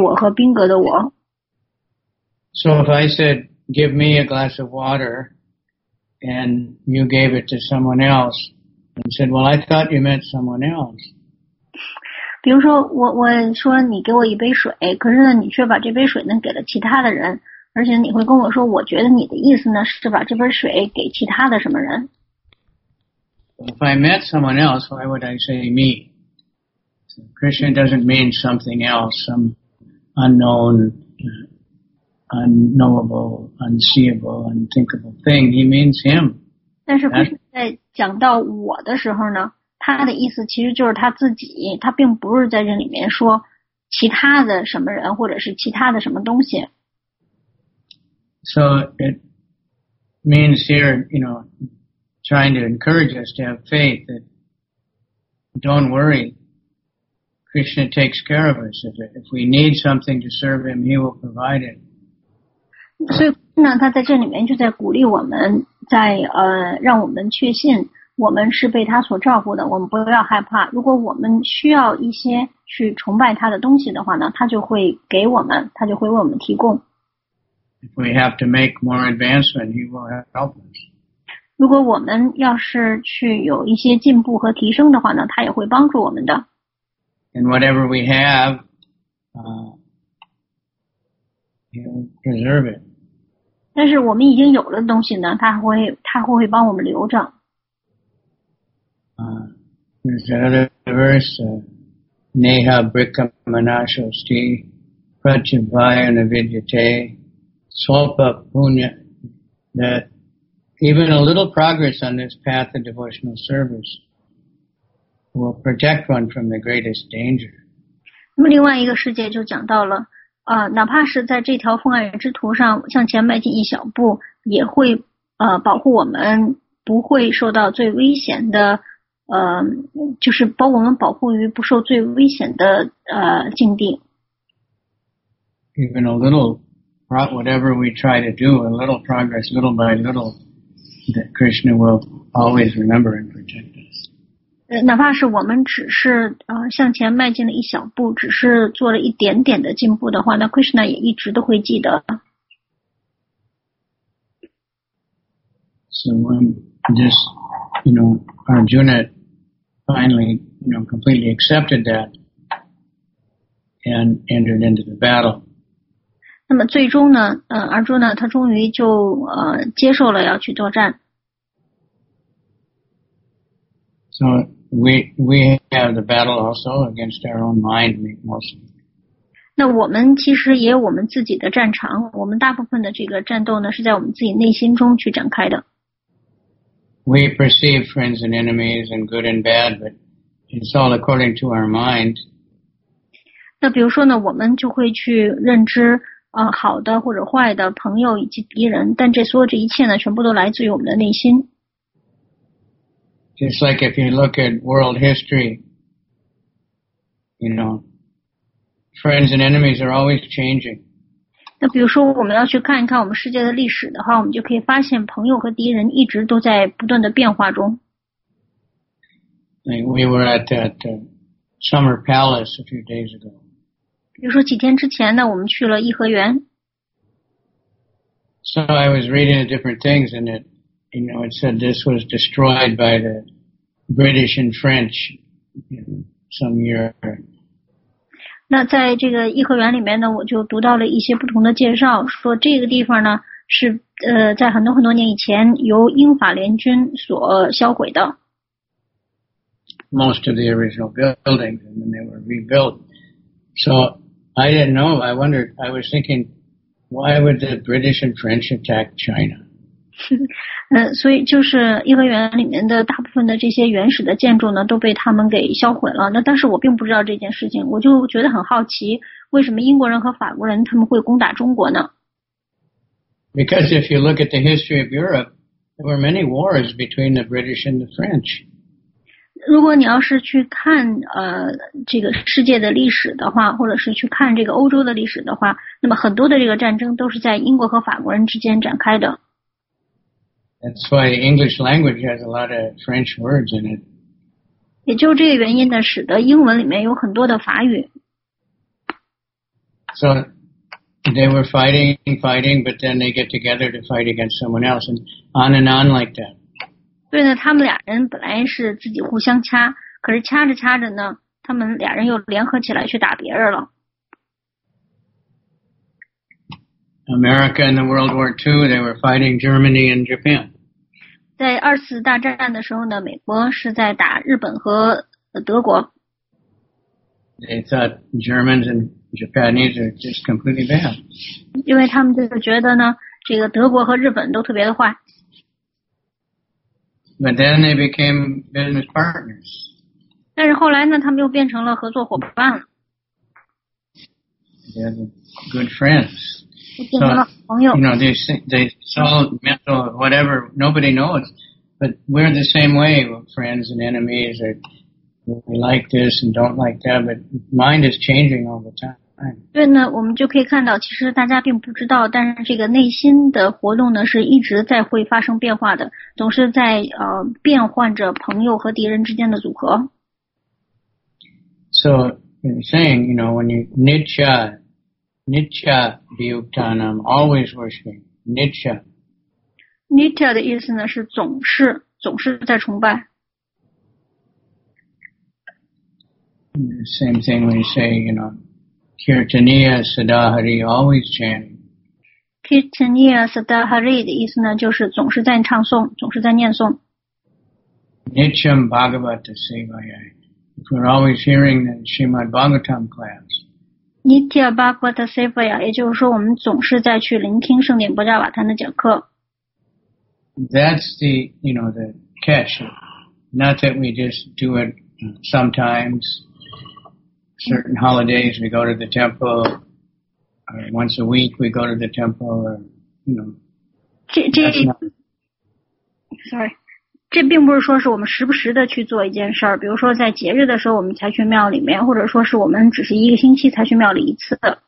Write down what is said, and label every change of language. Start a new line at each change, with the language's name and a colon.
Chinese: 但是Krishna他完全知道他在到底讲什么，他在《薄伽梵歌》里面呢，就一次不断一次的在提到了关于我，我的，我，就是主格的我和宾格的我。
English: So if I said, give me a glass of water, and you gave it to someone else, and said, well, I thought you meant someone else.
Chinese: 比如说我说你给我一杯水，可是呢，你却把这杯水呢给了其他的人。而且你会跟我说，我觉得你的意思呢，是把这杯水给其他的什么人？
English: If I met someone else, why would I say me? So Krishna doesn't mean something else, some unknown, unknowable, unseeable, unthinkable thing. He means him.
Chinese: 但是 Krishna 在讲到我的时候呢，他的意思其实就是他自己，他并不是在这里面说其他的什么人或者是其他的什么东西。
English: So it means here, you know, trying to encourage us to have faith that don't worry, Krishna takes care of us. If we need something to serve him, he will provide it.
Chinese: 所以呢，他在这里面就在鼓励我们，在让我们确信我们是被他所照顾的，我们不要害怕。如果我们需要一些去崇拜他的东西的话呢，他就会给我们，他就会为我们提供。
English: If we have to make more advancement, he will help us.
Chinese: 如果我们要是去有一些进步和提升的话呢，他也会帮助我们的。
English: And whatever we have, he'll preserve it.
Chinese: 但是我们已经有了东西呢，他会帮我们留着。
English: There's another verse,
Sanskrit: Neha Brikha Manasho Sti, Prachivaya Navidyate, Swalpa Punya,
English: that even a little progress on this path of devotional service will protect one from the greatest danger.
Chinese: 那么另外一个世界就讲到了，哪怕是在这条奉爱人之途上向前迈进一小步，也会保护我们不会受到最危险的就是把我们保护于不受最危险的境地。
English: Even a little, whatever we try to do, a little progress, little by little, that Krishna will always remember and protect us.
Chinese: 哪怕是我们只是向前迈进了一小步，只是做了一点点的进步的话，那 Krishna 也一直都会记得。
English: So when just, you know, Arjuna finally, you know, completely accepted that and entered into the battle.
Chinese: 那么最终呢，Arjuna 他终于就接受了要去作战。
English: So we have the battle also against our own mind, mostly.
Chinese: 那我们其实也有我们自己的战场，我们大部分的这个战斗呢，是在我们自己内心中去展开的。
English: We perceive friends and enemies and good and bad, but it's all according to our mind.
Chinese: 那比如说呢，我们就会去认知好的或者坏的朋友以及敌人，但这所有这一切呢，全部都来自于我们的内心。
English: Just like if you look at world history, you know, friends and enemies are always changing.
Chinese: 那比如说我们要去看一看我们世界的历史的话，我们就可以发现朋友和敌人一直都在不断的变化中。
English: We were at that summer palace a few days ago.
Chinese: 比如说几天之前呢，我们去了颐和园。
English: So I was reading different things and it, you know, it said this was destroyed by the British and French some year ago.
Chinese: 那在这个颐和园里面呢，我就读到了一些不同的介绍，说这个地方呢是在很多很多年以前由英法联军所销毁的。
English: Most of the original buildings and then they were rebuilt. So I didn't know. I wondered. I was thinking, why would the British and French attack China?
Chinese: 所以就是颐和园里面的大部分的这些原始的建筑呢都被他们给销毁了，那但是我并不知道这件事情，我就觉得很好奇，为什么英国人和法国人他们会攻打中国呢？
English: Because if you look at the history of Europe, there were many wars between the British and the French.
Chinese: 如果你要是去看这个世界的历史的话，或者是去看这个欧洲的历史的话，那么很多的这个战争都是在英国和法国人之间展开的。
English: That's why the English language has a lot of French words in it.
Chinese: 也就这个原因呢，使得英文里面有很多的法语。
English: So they were fighting, but then they get together to fight against someone else, and on like that.
Chinese: 对呢，他们俩人本来是自己互相掐，可是掐着掐着呢，他们俩人又联合起来去打别人了。
English: America in the World War II, they were fighting Germany and Japan.
Chinese: 在二次大战的时候呢，美国是在打日本和德国。
English: They thought Germans and Japanese are just completely bad.
Chinese: 因为他们就觉得呢，这个德国和日本都特别的坏。
English: But then they became business partners.
Chinese: 但是后来呢，他们又变成了合作伙伴了。
English: They had good friends. They saw mental whatever, nobody knows. But we're the same way, friends and enemies. We like this and don't like that, but mind is changing all the time.
Chinese: 对呢，我们就可以看到，其实大家并不知道，但是这个内心的活动呢，是一直在会发生变化的，总是在变换着朋友和敌人之间的组合。
English: So,You're saying, you know, when you
Sanskrit: nitya bhutanam,
English: always worshiping nitya.
Chinese: Nitya 的意思呢是总是在崇拜。
English: Same thing when you say, you know,
Sanskrit: kirtaniya sadahari,
English: always chanting.
Sanskrit: Kirtaniya sadahari
Chinese: 的意思呢就是总是在唱诵，总是在念诵。
Sanskrit: Nityam bhagavata sevaya.
English: We're always hearing the Srimad Bhagavatam class.
Sanskrit: Nitya Bhagavata Sevaya,
Chinese: 也就是说我们总是在去聆听圣典波迦瓦坛的讲课。
English: That's the, you know, the catch. Not that we just do it sometimes. Certain holidays we go to the temple. Or once a week we go to the temple. Or, you know, Sorry.
Chinese: 这并不是说是我们时不时的去做一件事儿，比如说在节日的时候我们才去庙里面，或者说是我们只是一个星期才去庙里一次。